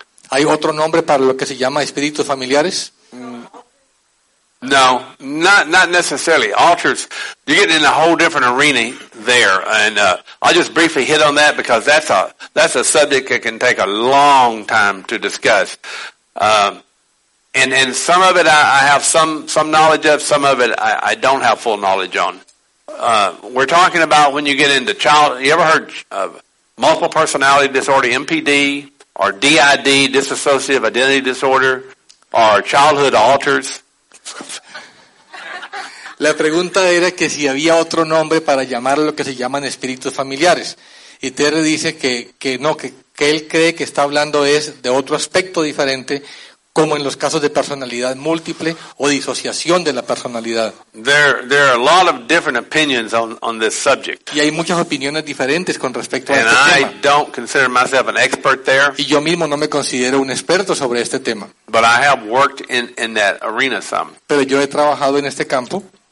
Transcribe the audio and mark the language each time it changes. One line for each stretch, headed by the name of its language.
Spanish: ¿Hay otro nombre para lo que se llama espíritus familiares?
English: No, not necessarily. Altars, you're getting in a whole different arena there. And I'll just briefly hit on that because that's a subject that can take a long time to discuss. And some of it I have some knowledge of, some of it I don't have full knowledge on. We're talking about when you get into child, you ever heard of multiple personality disorder, MPD, or DID, dissociative identity disorder, or childhood alters?
Spanish: La pregunta era que si había otro nombre para llamar a lo que se llaman espíritus familiares. Y Terry dice que no, que él cree que está hablando es de otro aspecto diferente, como en los casos de personalidad múltiple o disociación de la personalidad.
English: There are a lot of different opinions on this subject.
Spanish: Y hay muchas opiniones diferentes con respecto
English: and
Spanish: a este tema.
English: I don't consider myself an expert there.
Spanish: Y yo mismo no me considero un experto sobre este tema.
English: But I have worked in that arena some.
Spanish: Pero yo he trabajado en este campo.